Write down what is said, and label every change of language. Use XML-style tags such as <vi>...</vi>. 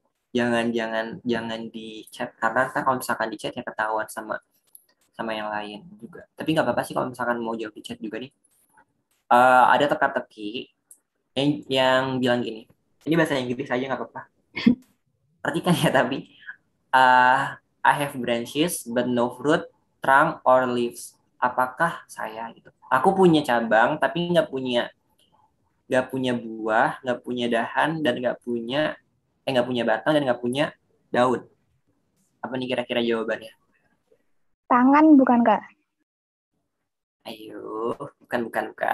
<id>Jangan di chat, karena nanti kalau misalkan di chat ya ketahuan sama yang lain juga. Tapi nggak apa-apa sih kalau misalkan mau jawab di chat juga nih. Ada teka-teki yang bilang gini. Ini bahasa Inggris aja, nggak apa-apa. Artikan ya, tapi</id> <en>I have branches but no fruit, trunk or leaves.</en> <id>Apakah saya gitu? Aku punya cabang tapi nggak punya buah, nggak punya dahan, dan nggak punya batang, dan nggak punya daun. Apa nih kira-kira jawabannya? Tangan bukan, Kak? Ayo, bukan.</id>